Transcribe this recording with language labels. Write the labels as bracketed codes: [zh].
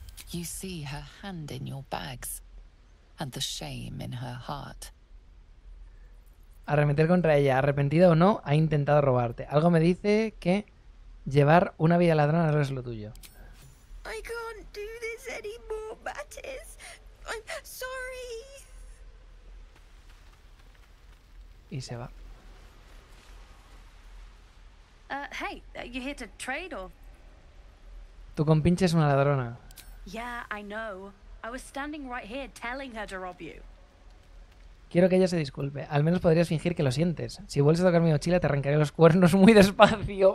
[en] You see her hand in your bags and the shame in her heart. [es] Arremeter contra ella, arrepentida o no, ha intentado robarte. Algo me dice que llevar una vida ladrona no es lo tuyo. [en] I can't do this anymore, Mattis. I'm sorry. [es] Y se va. [en] Hey, you here to trade or? [es] Tu compinche es una ladrona. [en] Yeah, I know. I was standing right here telling her to rob you. [es] Quiero que ella se disculpe. Al menos podrías fingir que lo sientes. Si vuelves a tocar mi mochila, te arrancaré los cuernos muy despacio.